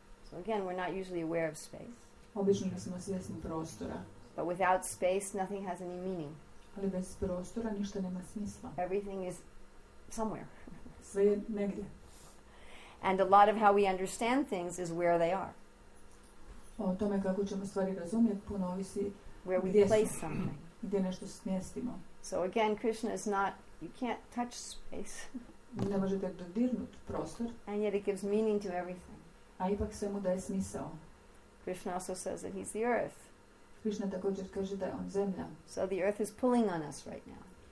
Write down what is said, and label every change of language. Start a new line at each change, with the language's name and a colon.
English: So again, we're not usually aware of space.
Croatian: Obično nismo svjesni prostora.
English: But without space, nothing has any meaning.
Croatian: Ali bez prostora ništa nema smisla.
English: Everything is somewhere.
Croatian: Sve je negdje.
English: And a lot of how we understand things is where they are.
Croatian: O tome kako ćemo stvari razumjeti puno ovisi
English: where
Croatian: gdje
English: we place something.
Croatian: Gdje nešto smjestimo.
English: So again, Krishna is not, you can't touch space.
Croatian: Ne možete dodirnuti prostor.
English: And yet it gives meaning to everything.
Croatian: A ipak svemu daje smisao.
English: Krishna also says that he's the earth.
Croatian: Krishna također kaže da je on zemlja.
English: So the earth is pulling on us right now.